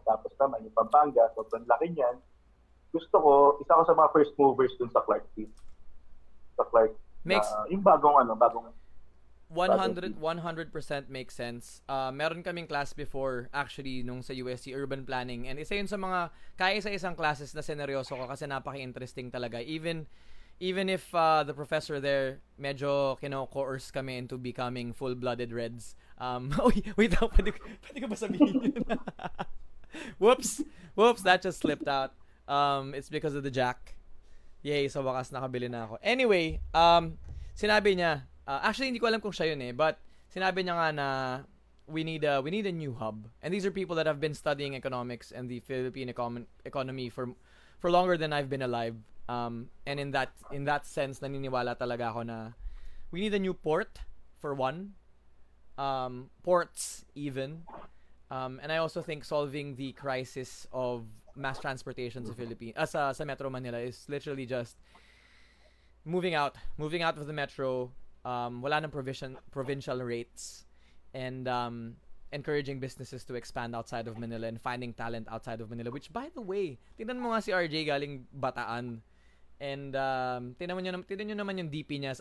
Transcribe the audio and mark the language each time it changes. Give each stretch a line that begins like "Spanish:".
Filipino: Tapos naman, yung Pampanga, sobrang laki niyan. Gusto ko, isa ko sa mga first movers dun sa Clark City. Sa Clark.
English: Makes,
Filipino: yung bagong
English: 100% makes sense.
Filipino: Meron kaming class before, actually, nung sa USC, urban planning. And isa yun sa mga, kaya sa isang classes na seneryoso ko kasi napaka-interesting talaga.
English: Even if the professor there,
Filipino: medyo kino-coerce kami
English: into becoming full-blooded Reds.
Filipino: Pwede ko ba sabihin yun?
English: Whoops, that just slipped out. It's because of the jack.
Filipino: Yay, sa wakas nakabili na ako. Anyway, sinabi niya, actually hindi ko alam kung siya yun eh, but sinabi niya nga na
English: we need a new hub. And these are people that have been studying economics and the Philippine economy for longer than I've been alive. And in that sense,
Filipino: naniniwala talaga ako na
English: we need a new port for one. Ports even. And I also think solving the crisis of mass transportation sa Philippines, sa Metro Manila is literally just moving out of the metro, wala nang provincial rates, and encouraging businesses to expand outside of Manila and finding talent outside of Manila, which, by the way,
Filipino: tingnan mo nga si
English: RJ galing Bataan,
Filipino: and tingnan nyo naman yung DP niya.